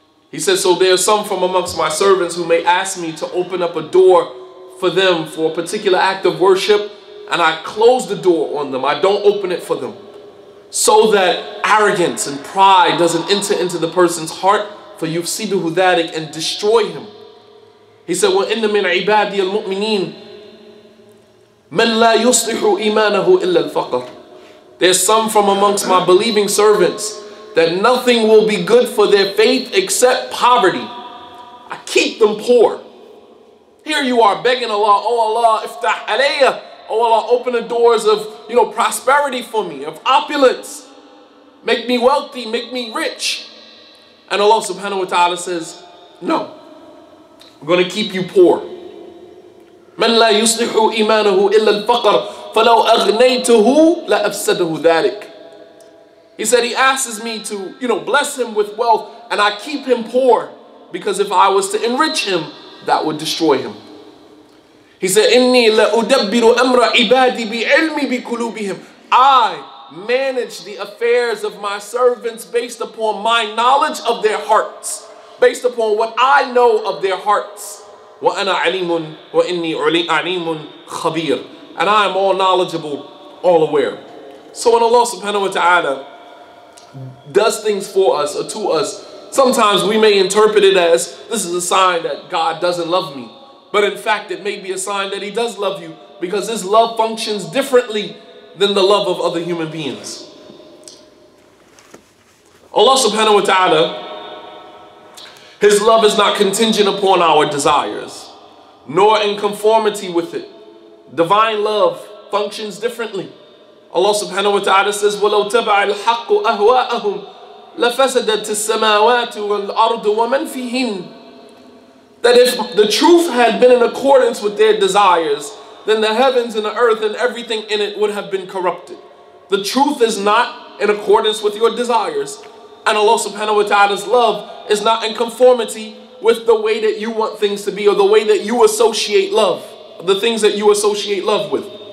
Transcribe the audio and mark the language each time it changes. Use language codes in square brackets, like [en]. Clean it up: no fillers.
[en] He says, so there are some from amongst my servants who may ask me to open up a door for them for a particular act of worship, and I close the door on them, I don't open it for them, so that arrogance and pride doesn't enter into the person's heart, for [ar] yufsiduhu dhalik, [en] and destroy him. He said, [ar] وَإِنَّ مِنْ عِبَادِيَ الْمُؤْمِنِينَ مَنْ لَا يُصْلِحُ إِيمَانَهُ إِلَّا الْفَقَرُ. [en] There's some from amongst my believing servants that nothing will be good for their faith except poverty. I keep them poor. Here you are begging Allah, "Oh Allah, [ar] iftah alayya. [en] Oh Allah, open the doors of, you know, prosperity for me, of opulence. Make me wealthy, make me rich." And Allah subhanahu wa ta'ala says, no. I'm going to keep you poor. [ar] مَنْ لَا يُسْلِحُ إِيمَانَهُ إِلَّا الْفَقَرُ فَلَوْ أَغْنَيْتُهُ لَأَفْسَدَهُ ذَلِكَ. [en] He said he asks me to, you know, bless him with wealth and I keep him poor, because if I was to enrich him, that would destroy him. He said, [ar] إِنِّي لَأُدَبِّرُ أَمْرَ عِبَادِي بِعِلْمِ بِكُلُوبِهِمْ. [en] I manage the affairs of my servants based upon my knowledge of their hearts, based upon what I know of their hearts. [ar] وَأَنَا عَلِيمٌ وَإِنِّي عَلِيمٌ خَبِيرٌ. [en] And I am all knowledgeable, all aware. So when Allah subhanahu wa ta'ala does things for us or to us, sometimes we may interpret it as, this is a sign that God doesn't love me. But in fact, it may be a sign that He does love you, because His love functions differently than the love of other human beings. Allah subhanahu wa ta'ala, His love is not contingent upon our desires, nor in conformity with it. Divine love functions differently. Allah subhanahu wa ta'ala says, [ar] وَلَوْ تَبَعَ الْحَقُّ أَهْوَاءَهُمْ لَفَسَدَتِ السَّمَاوَاتُ وَالْأَرْضُ وَمَنْ فِيهِنْ. [en] That if the truth had been in accordance with their desires, then the heavens and the earth and everything in it would have been corrupted. The truth is not in accordance with your desires, and Allah subhanahu wa ta'ala's love is not in conformity with the way that you want things to be, or the way that you associate love, the things that you associate love with.